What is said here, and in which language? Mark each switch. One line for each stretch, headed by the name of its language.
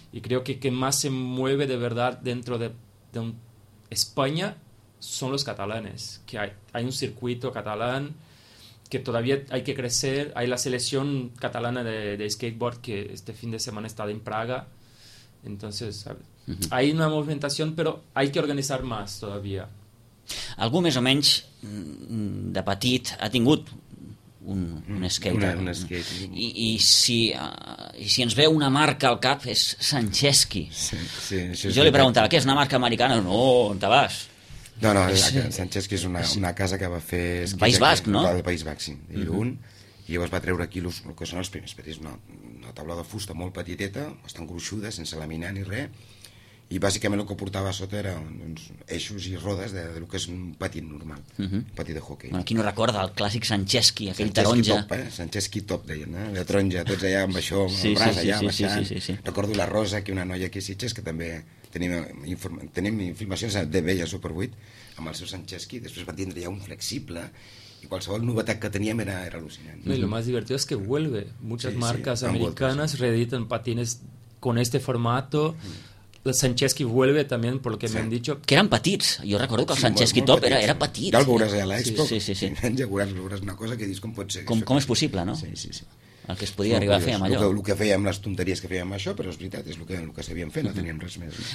Spanish: Y creo que quien más se mueve de verdad dentro de España son los catalanes. Que hay un circuito catalán que todavía hay que crecer. Hay la selección catalana de skateboard que este fin de semana está en Praga. Entonces, ¿sabes? Hay una movimentación, pero hay que organizar más todavía.
Catalan: Algú més o menys de petit ha tingut un skate. I si ens ve una marca al cap és Sanchezki. Sí, sí, jo li preguntava, què és una marca americana? No, on te vas? No, Sanchezki és una casa que va fer... País Basc, no? El País Basc, sí. I llavors va treure aquí el que són els primers petits, una taula de fusta molt petiteta, bastant gruixuda, sense laminar ni res, i bàsicament el que portava a sota era uns eixos i rodes del que és un patí normal, un patí de hockey. Bueno, qui no recorda el clàssic Sanchezki, aquell taronja? Sanchezki top, Sanchezki top, deien, la taronja, tots allà amb això, amb el braç allà, baixant. Recordo la Rosa, que una noia aquí a Sitges, que també... Tenim informacions de Vella Super 8 amb el seu Sanchezki. Després va tindre ja un flexible i qualsevol novetat que teníem era al·lucinant.
Spanish: No, lo más divertido es que vuelve. Muchas marcas americanas reeditan patines con este formato. El Sanchezki vuelve también, por lo que me han dicho.
Catalan: Que eran petits. Jo recordo que el Sanchezki top era petit. Ja el veuràs a l'Expo. Ja veuràs una cosa que dius com pot ser. Com és possible, no? Sí. El que es podia arribar a fer amb allò. El que fèiem, les tonteries que fèiem amb això, però és veritat, és el que s'havien fet, no teníem res més.